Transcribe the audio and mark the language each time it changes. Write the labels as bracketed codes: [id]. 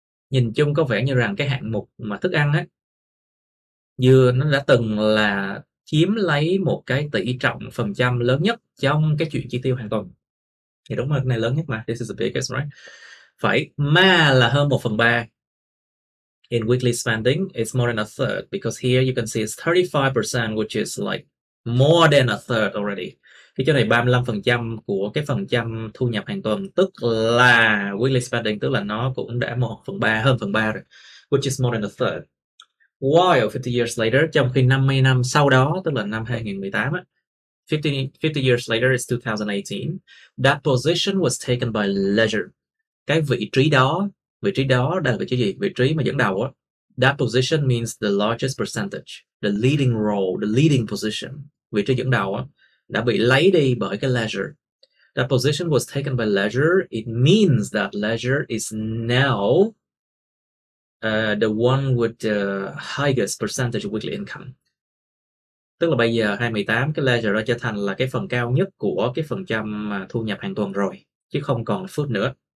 [vi] Nhìn chung có vẻ như rằng cái hạng mục mà thức ăn á, như nó đã từng là chiếm lấy một cái tỷ trọng phần trăm lớn nhất trong cái chuyện chi tiêu hàng tuần. Thì đúng rồi, cái này lớn nhất mà. [en] This is the biggest, right? [vi] Phải, mà là hơn một phần ba. [en] In weekly spending, it's more than a third. Because here you can see it's 35%, which is like more than a third already. [vi] Cái chỗ này 35% của cái phần trăm thu nhập hàng tuần, tức là weekly spending, tức là nó cũng đã một phần ba, hơn phần ba rồi. [en] Which is more than a third. While 50 years later, [vi] trong khi 50 năm sau đó, tức là năm 2018 á, [en] 50 years later is 2018, that position was taken by leisure. [vi] Cái vị trí đó Vị trí đó đang là vị trí gì? Vị trí mà dẫn đầu á. [en] That position means the largest percentage, the leading role, the leading position. [vi] Vị trí dẫn đầu á đã bị lấy đi bởi cái leisure. [en] That position was taken by leisure. It means that leisure is now the one with the highest percentage of weekly income. [vi] Tức là bây giờ 28 cái leisure đã trở thành là cái phần cao nhất của cái phần trăm thu nhập hàng tuần rồi, chứ không còn food nữa.